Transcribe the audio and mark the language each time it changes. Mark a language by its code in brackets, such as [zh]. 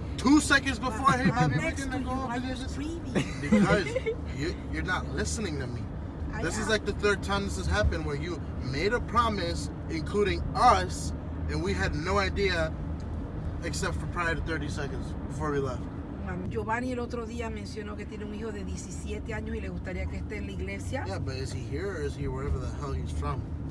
[en] 2 seconds before, hey, I'm gonna go over this. Because you're not listening to me. This is like the third time this has happened where you made a promise, including us, and we had no idea except for prior to 30 seconds before we left. [es] Giovanni el otro día mencionó que tiene un hijo de 17 años y le gustaría que esté en la iglesia. [en] Yeah, but is he here or is he wherever the hell he's from?